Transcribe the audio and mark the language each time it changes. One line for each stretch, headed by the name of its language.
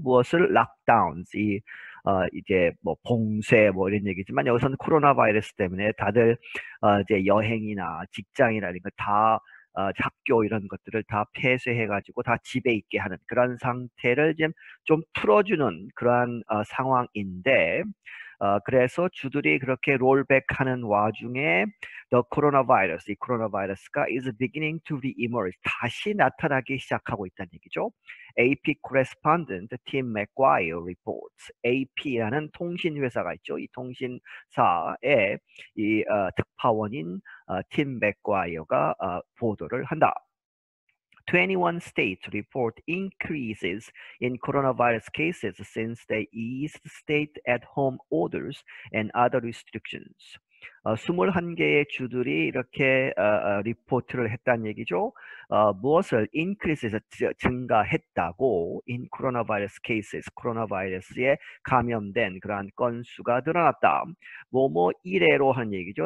Korean: 무엇을 lockdowns, 이제 뭐 봉쇄 뭐 이런 얘기지만 여기서는 코로나 바이러스 때문에 다들 이제 여행이나 직장이나 이런 거 다, 학교 이런 것들을 다 폐쇄해가지고 다 집에 있게 하는 그런 상태를 지금 좀 풀어주는 그러한 상황인데, 그래서 주들이 그렇게 롤백하는 와중에
English: The coronavirus,
Korean: 이 코로나 바이러스가
English: is beginning to re-emerge,
Korean: 다시 나타나기 시작하고 있다는 얘기죠.
English: AP correspondent Tim McGuire reports.
Korean: AP라는 통신 회사가 있죠. 이 통신사의 이 특파원인 팀 맥과이어가 보도를 한다.
English: 21 states report increases in coronavirus cases since they eased stay-at-home orders and other restrictions.
Korean: 21개의 주들이 이렇게 리포트를 했다는 얘기죠. 무엇을 increase에서 증가했다고
English: in coronavirus cases,
Korean: 코로나바이러스에 감염된 그러한 건수가 늘어났다. 뭐뭐 이래로 하는 얘기죠.